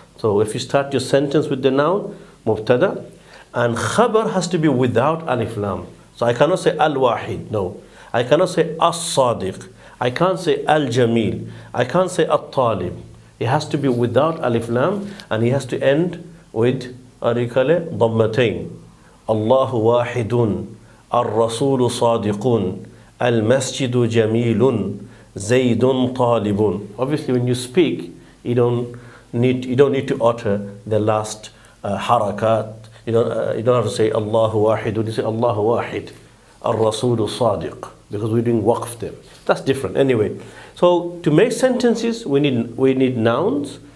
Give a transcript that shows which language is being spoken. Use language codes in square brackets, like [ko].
[en] So if you start your sentence with the noun, mubtada, and khabar has to be without alif lam. So I cannot say al wahid. No, I cannot say as sadiq. I can't say al jamil. I can't say al talib. It has to be without alif lam, and it has to end with arikale dhammatain. [ar] Allahu wahidun. الرسول صادق المسجد جميل زيد طالب. [en] Obviously, when you speak, you don't need to utter the last harakat. You don't have to say Allah واحد. You say Allah [ar] واحد الرسول صادق, [en] because we're doing waqf there. That's different. Anyway, so to make sentences, we need nouns.